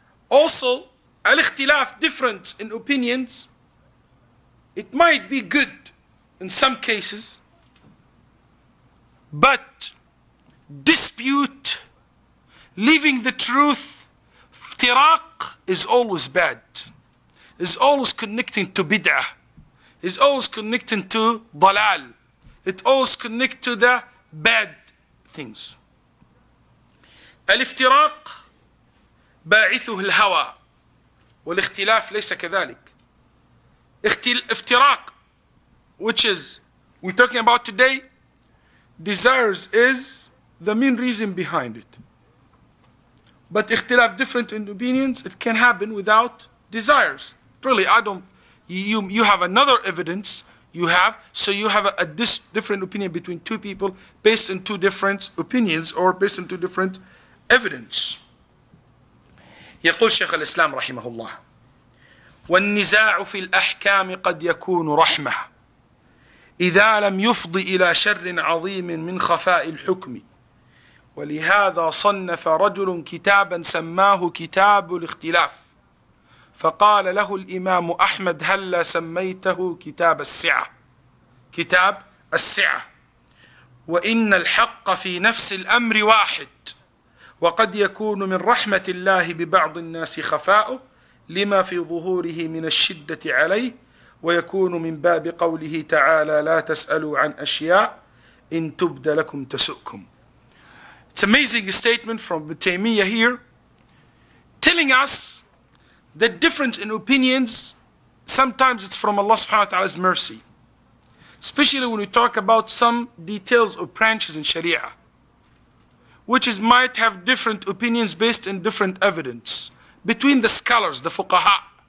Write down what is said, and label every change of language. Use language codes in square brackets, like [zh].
[en] Also, al-ikhtilaf, difference in opinions, it might be good in some cases, but dispute, leaving the truth, iftiraq, is always bad, is always connecting to bid'ah, is always connecting to dalal, it always connects to the bad things. [ar] الافتراق باعثه الهوى والاختلاف ليس كذلك. [en] افتراق, which is we're talking about today, desires is the main reason behind it. But اختلاف, different in opinions, it can happen without desires. Really, I don't, you have another evidence you have, so you have a different opinion between two people based on two different opinions or based on two different evidence. [ar] يقول شيخ الإسلام رحمه الله والنزاع في الأحكام قد يكون رحمة إذا لم يفضي إلى شر عظيم من خفاء الحكم ولهذا صنف رجل كتابا سماه كتاب الاختلاف فقال له الإمام أحمد هل سميته كتاب السعة كتاب السعة وإن الحق في نفس الأمر واحد وقد يكون من رحمة الله ببعض الناس خفاؤه لما في ظهوره من الشدة عليه ويكون من باب قوله تعالى لا تسألوا عن أشياء إن تبد لكم تسؤكم. [en] It's amazing statement from Taymiyyah here, telling us that difference in opinions, sometimes it's from Allah subhanahu wa ta'ala's mercy. Especially when we talk about some details or branches in Sharia, which is might have different opinions based on different evidence between the scholars, the fuqaha.